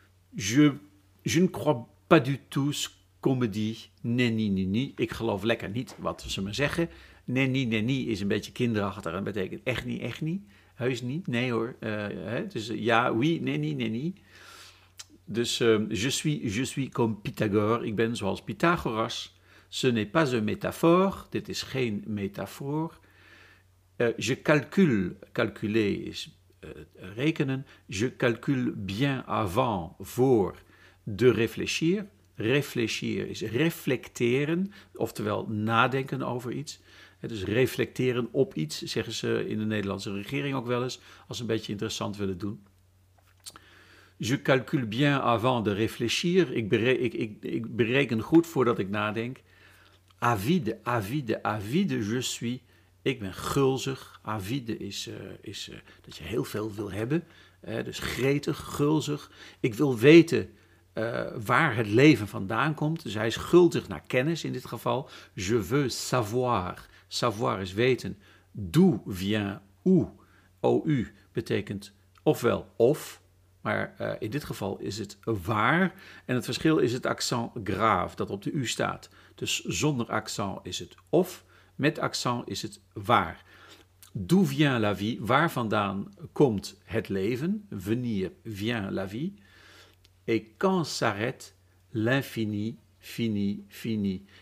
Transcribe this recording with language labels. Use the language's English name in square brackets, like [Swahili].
[French] Je ne crois pas du tout ce qu'on me dit. [Dutch] Nee. Ik geloof lekker niet wat ze me zeggen. Nee, is een beetje kinderachtig en betekent echt niet. Heus niet, nee hoor. Dus ja, oui, nee. Dus [French] je suis comme Pythagore. [Dutch] Ik ben zoals Pythagoras. [French] Ce n'est pas une métaphore. [Dutch] Dit is geen metafoor. [French] Je calcule, calculer [Dutch] is rekenen. [French] Je calcule bien avant, voor, de réfléchir. [Dutch] Réfléchir is reflecteren, oftewel nadenken over iets. Dus reflecteren op iets, zeggen ze in de Nederlandse regering ook wel eens, als ze een beetje interessant willen doen. [French] Je calcule bien avant de réfléchir. [Dutch] Ik bereken goed voordat ik nadenk. [French] Avide, avide, avide, je suis. [Dutch] Ik ben gulzig. Avide is dat je heel veel wil hebben. Dus gretig, gulzig. Ik wil weten waar het leven vandaan komt. Dus hij is gulzig naar kennis in dit geval. [French] Je veux savoir. Savoir [Dutch] is weten. [French] D'où vient où? [Dutch] O-u betekent ofwel of. Maar in dit geval is het waar. En het verschil is het accent grave dat op de u staat. Dus zonder accent is het of. Met accent is het waar. [French] D'où vient la vie? [Dutch] Waar vandaan komt het leven? [French] Venir vient la vie. Et quand s'arrête l'infini, fini, fini.